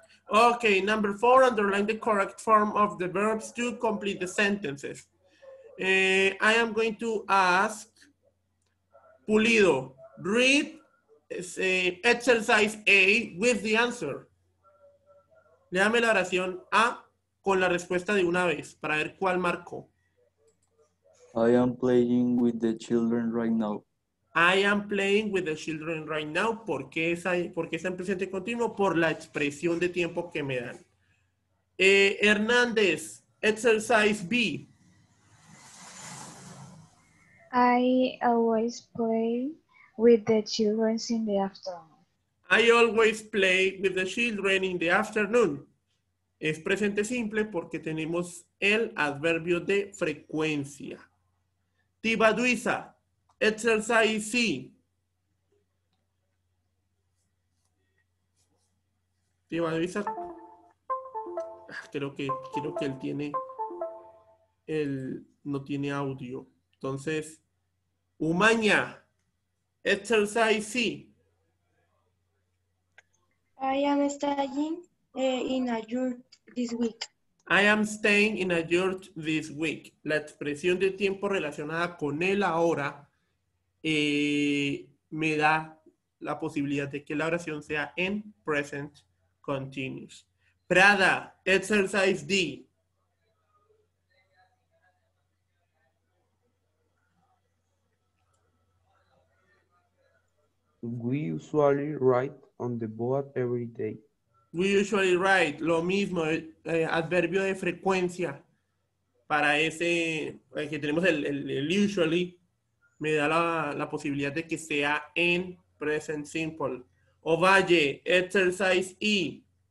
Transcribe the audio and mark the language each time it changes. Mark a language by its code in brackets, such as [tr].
[en] Okay, number four, underline the correct form of the verbs to complete the sentences. I am going to ask Pulido, read exercise A with the answer. [es] Léame la oración A con la respuesta de una vez para ver cuál marcó. [en] I am playing with the children right now. I am playing with the children right now. [es] ¿Por qué está en presente continuo? Por la expresión de tiempo que me dan. [en] Hernández, exercise B. I always play with the children in the afternoon. I always play with the children in the afternoon. [es] Es presente simple porque tenemos el adverbio de frecuencia. [en] Tibaduiza. Exercise C. [es] Tibaduiza. Creo que él tiene. Él no tiene audio. Entonces. Umaña. [en] Exercise C. I am studying in a yurt this week. I am staying in a yurt this week. [es] La expresión de tiempo relacionada con el ahora me da la posibilidad de que la oración sea en present continuous. [en] Prada, exercise D. We usually write on the board every day. We usually write, [es] lo mismo, adverbio de frecuencia. Para ese, que tenemos el usually, me da la posibilidad de que sea en present simple. [en] Ovalle, exercise E.